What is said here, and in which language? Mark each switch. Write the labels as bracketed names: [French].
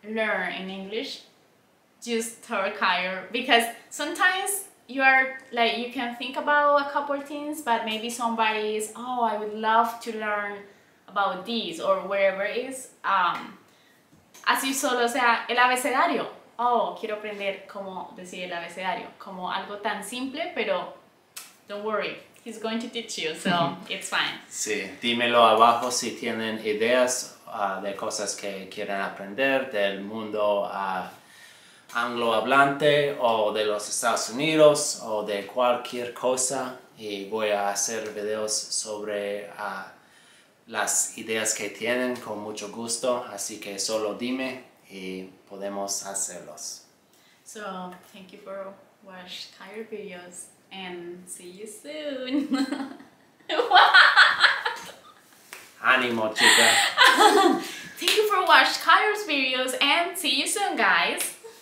[English] learn in English, just talk higher, because sometimes you are like, you can think about a couple things, but maybe somebody is, oh, I would love to learn about these or whatever it is. [Spanish] Así solo, o sea, el abecedario. Oh, quiero aprender cómo decir el abecedario. Como algo tan simple, pero [English] don't worry, he's going to teach you, so it's fine. [Spanish] Sí, dímelo abajo si tienen ideas de cosas que quieren aprender del mundo anglohablante o de los Estados Unidos o de cualquier cosa, y voy a hacer videos sobre las ideas que tienen con mucho gusto, así que solo dime y podemos hacerlos. [English] So, thank you for watching our videos and see you soon. [Spanish] Animo, chica. [English] Thank you for watching our videos and see you soon, guys.